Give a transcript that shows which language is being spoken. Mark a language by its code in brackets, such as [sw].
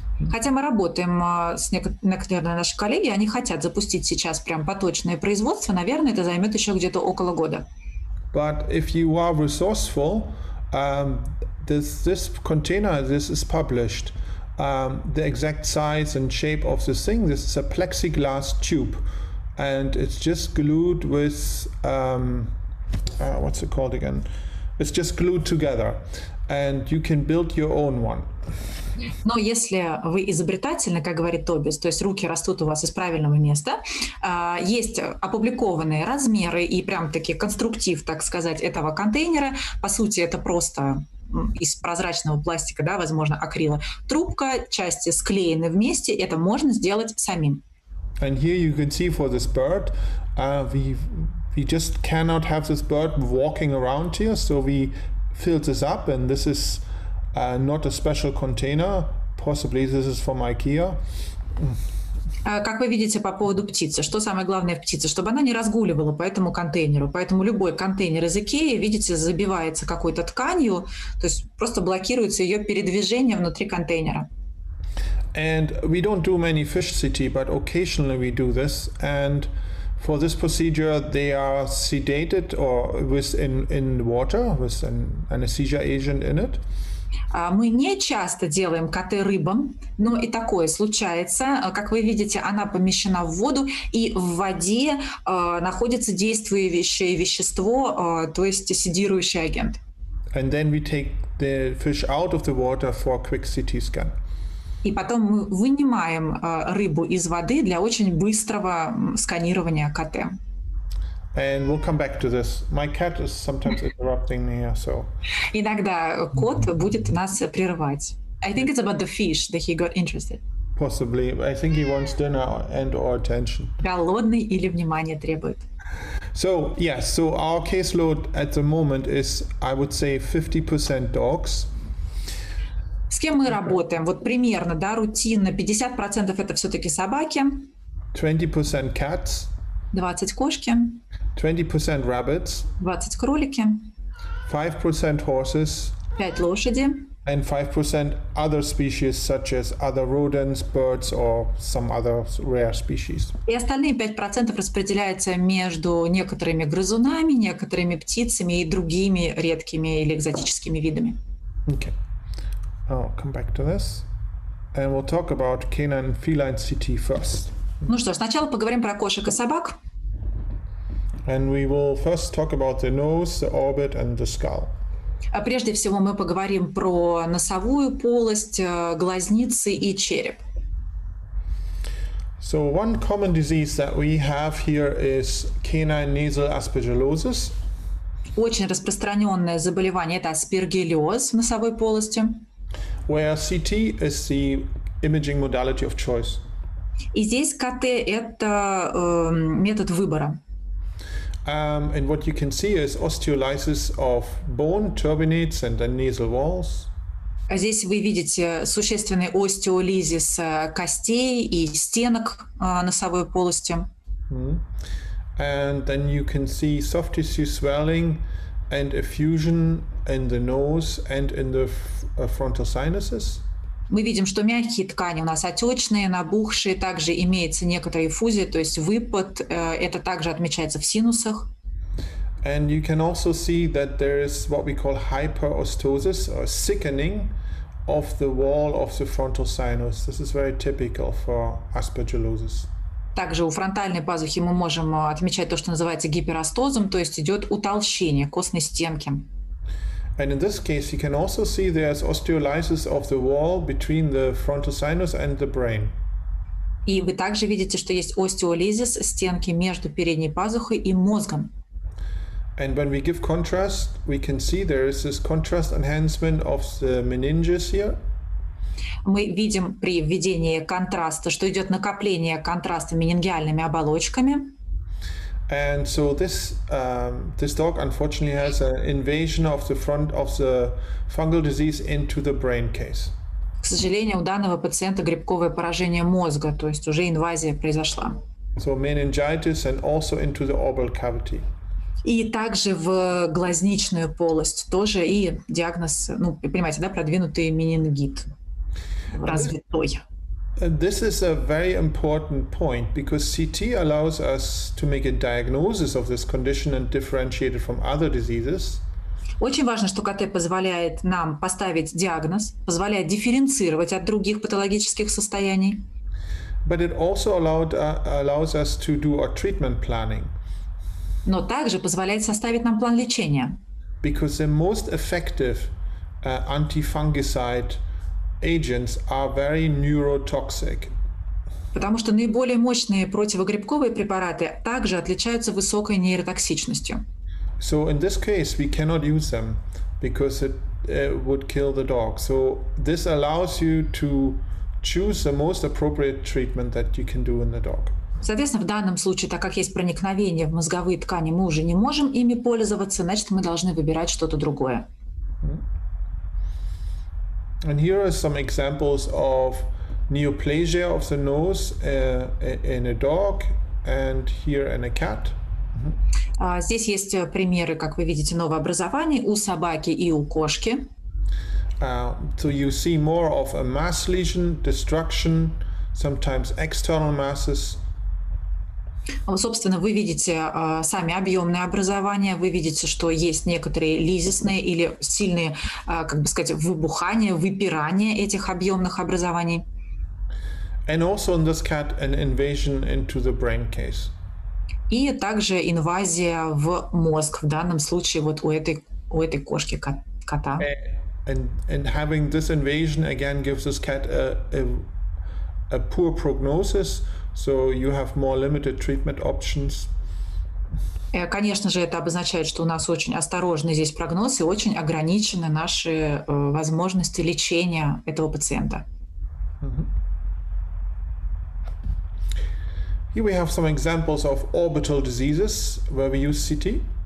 [ru] Хотя мы работаем с некоторыми наши коллеги, они хотят запустить сейчас прям поточное производство, наверное, это займет еще где-то около года. [en] But if you are resourceful, this container, this is published. The exact size and shape of this thing. This is a plexiglass tube, and it's just glued with what's it called again? It's just glued together, and you can build your own one. [ru] Но если вы изобретательны, как говорит Тобис, то есть руки растут у вас из правильного места, есть опубликованные размеры и прям-таки конструктив, так сказать, этого контейнера. По сути, это просто из прозрачного пластика, да, возможно, акрила. Трубка, части склеены вместе, это можно сделать самим. [en] And here you can see for this bird, we just cannot have this bird walking around here, so we filled this up, and this is not a special container, possibly this is from IKEA. [ru] Как вы видите по поводу птицы, что самое главное в птице, чтобы она не разгуливала по этому контейнеру. Поэтому любой контейнер из IKEA, видите, забивается какой-то тканью, то есть просто блокируется ее передвижение внутри контейнера. [en] And we don't do many fish CT, but occasionally we do this. And for this procedure, they are sedated or in water with an anesthesia agent in it. [ru] Мы не часто делаем КТ рыбам, но и такое случается. Как вы видите, она помещена в воду, и в воде находится действующее вещество, то есть седирующий агент. [en] And then we take the fish out of the water for a quick CT scan. [ru] И потом мы вынимаем рыбу из воды для очень быстрого сканирования КТ. [en] And we'll come back to this. My cat is sometimes interrupting me, so. [ru] Иногда кот будет нас прерывать. [en] I think it's about the fish that he got interested. Possibly. I think he wants dinner and or attention. [ru] Голодный или внимание требует. [en] So, yes, so our caseload at the moment is, I would say, 50% dogs. [ru] С кем мы работаем? Вот примерно, да, рутинно. 50% это все-таки собаки. [en] 20% cats. [ru] 20 кошки. [en] 20% rabbits. [ru] 20 кролики. [en] 5% horses. [ru] 5 лошади. [en] And 5% other species, such as other rodents, birds, or some other rare species. [ru] И остальные 5% распределяются между некоторыми грызунами, некоторыми птицами и другими редкими или экзотическими видами. [en] Okay. I'll come back to this. And we'll talk about canine feline CT first. [ru] Ну что ж, сначала поговорим про кошек и собак. [en] And we will first talk about the nose, the orbit, and the skull. [ru] А прежде всего мы поговорим про носовую полость, глазницы и череп. [en] So one common disease that we have here is canine nasal aspergillosis. [ru] Очень распространенное заболевание – это аспергиллез в носовой полости. [en] Where CT is the imaging modality of choice. [ru] И здесь КТ – это метод выбора. [en] And what you can see is osteolysis of bone turbinates and then nasal walls. [ru] Здесь вы видите существенный остеолизис костей и стенок носовой полости. [en] And then you can see soft tissue swelling and effusion in the nose and in the frontal sinuses. [ru] Мы видим, что мягкие ткани у нас отечные, набухшие, также имеется некоторая эффузия, то есть выпад, это также отмечается в синусах. [en] And you can also see that there is what we call hyperostosis, or thickening of the wall of the frontal sinus. This is very typical for aspergillosis. [ru] Также у фронтальной пазухи мы можем отмечать то, что называется гиперостозом, то есть идет утолщение костной стенки. [en] And in this case, you can also see there's osteolysis of the wall between the frontal sinus and the brain. [ru] И вы также видите, что есть остеолизис стенки между передней пазухой и мозгом. [en] And when we give contrast, we can see there is this contrast enhancement of the meninges here. [ru] Мы видим при введении контраста, что идет накопление контраста менингиальными оболочками. [en] And so this this dog unfortunately has an invasion of the front of the fungal disease into the brain case. [ru] К сожалению, у данного пациента грибковое поражение мозга, то есть уже инвазия произошла. [en] So meningitis and also into the orbital cavity. [ru] И также в глазничную полость тоже и диагноз, ну, понимаете, да, продвинутый менингит развитой. [en] This is a very important point because CT allows us to make a diagnosis of this condition and differentiate it from other diseases. [ru] Очень важно, что КТ позволяет нам поставить диагноз, позволяет дифференцировать от других патологических состояний. [en] But it also allows us to do our treatment planning. [ru] Но также позволяет составить нам план лечения. [en] Because the most effective antifungicide agents are very neurotoxic. [ru] Потому что наиболее мощные противогрибковые препараты также отличаются высокой нейротоксичностью. [en] So in this case we cannot use them because it would kill the dog. So this allows you to choose the most appropriate treatment that you can do in the dog. [ru] Соответственно, в данном случае, так как есть проникновение в мозговые ткани, мы уже не можем ими пользоваться, значит, мы должны выбирать что-то другое. [en] And here are some examples of neoplasia of the nose in a dog and here in a cat. [ru] Здесь есть примеры, как вы видите, новообразований у собаки и у кошки. [en] So you see more of a mass lesion, destruction, sometimes external masses. [ru] Собственно, вы видите сами объемные образования, вы видите, что есть некоторые лизисные или сильные, как бы сказать, выбухания, выпирания этих объемных образований. [en] And also in this cat an invasion into the brain case. [ru] И также инвазия в мозг, в данном случае вот у этой кошки, кота. [en] And having this invasion again gives this cat a poor prognosis. So you have more limited treatment options. [ru] Конечно же, это обозначает, что у нас очень осторожный здесь прогноз и очень ограничены наши возможности лечения этого пациента. [en] Here we have some examples of orbital diseases where we use CT.